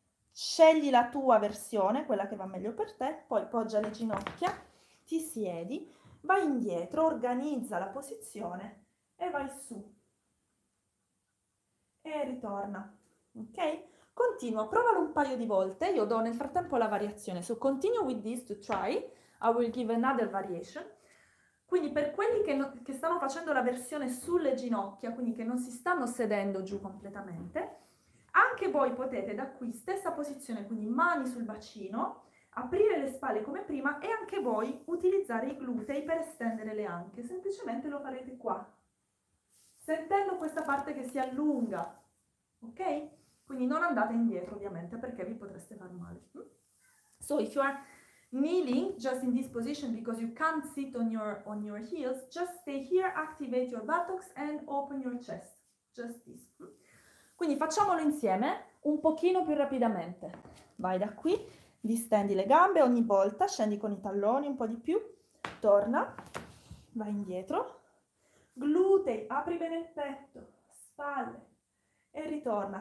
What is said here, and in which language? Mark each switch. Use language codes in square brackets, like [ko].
[it] Scegli la tua versione, quella che va meglio per te, poi poggia le ginocchia, ti siedi, vai indietro, organizza la posizione e vai su. E ritorna, ok? Continua, provalo un paio di volte, io do nel frattempo la variazione. [en] So continue with this to try, I will give another variation. [it] Quindi per quelli che stanno facendo la versione sulle ginocchia, quindi che non si stanno sedendo giù completamente, anche voi potete da qui, stessa posizione, quindi mani sul bacino, aprire le spalle come prima e anche voi utilizzare i glutei per estendere le anche. Semplicemente lo farete qua, sentendo questa parte che si allunga, ok? Quindi non andate indietro ovviamente perché vi potreste far male. [en] So if you are kneeling just in this position because you can't sit on your heels, just stay here, activate your buttocks and open your chest. Just this. [it] Quindi facciamolo insieme un pochino più rapidamente. Vai da qui, distendi le gambe ogni volta, scendi con i talloni un po' di più, torna, vai indietro, glutei, apri bene il petto, spalle e ritorna.